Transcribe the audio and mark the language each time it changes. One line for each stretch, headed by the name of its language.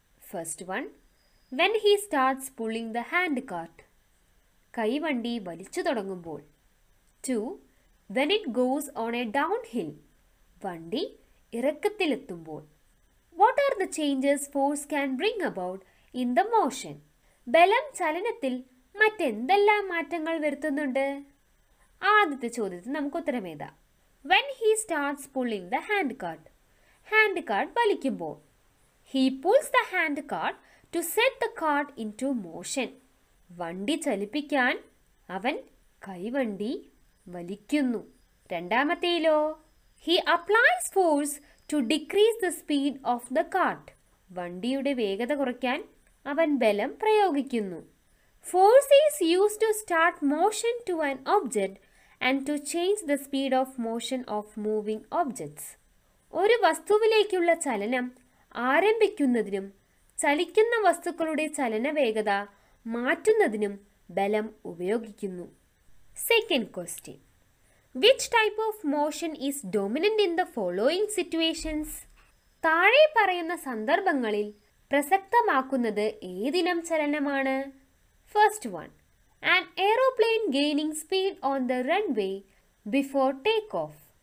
English: First one, when he starts pulling the hand cart.
Malayalam: കൈവണ്ടി വലിച്ചു തുടങ്ങുമ്പോൾ.
English: Two, when it goes on a downhill.
Malayalam: വണ്ടി ഇറക്കത്തിലെത്തുമ്പോൾ.
English: What are the changes force can bring about in the motion?
Malayalam: ബലം ചലനത്തിൽ മറ്റെന്തെല്ലാം മാറ്റങ്ങൾ വരുത്തുന്നുണ്ട്? ആദ്യത്തെ ചോദ്യത്തിന് നമുക്ക് ഉത്തരമേതാ?
English: When he starts pulling the handcart.
Malayalam: Handcart വലിക്കുമ്പോൾ.
English: He pulls the handcart to set the cart into motion.
Malayalam: വണ്ടി ചലിപ്പിക്കാൻ അവൻ കൈവണ്ടി വലിക്കുന്നു. രണ്ടാമത്തേലോ?
English: He applies force to decrease the speed of the cart.
Malayalam: വണ്ടിയുടെ വേഗത കുറയ്ക്കാൻ അവൻ ബലം പ്രയോഗിക്കുന്നു.
English: Force is used to start motion to an object and to change the speed of motion of moving objects.
Malayalam: ഒരു വസ്തുവിലേക്കുള്ള ചലനം ആരംഭിക്കുന്നതിനും ചലിക്കുന്ന വസ്തുക്കളുടെ ചലനവേഗത മാറ്റുന്നതിനും ബലം ഉപയോഗിക്കുന്നു.
English: Second question. Which type of motion is dominant in the following situations?
Malayalam: താഴെ പറയുന്ന സന്ദർഭങ്ങളിൽ പ്രസക്തമാക്കുന്നത് ഏതിനം ചലനമാണ്?
English: First one, an aeroplane gaining speed on the runway before takeoff.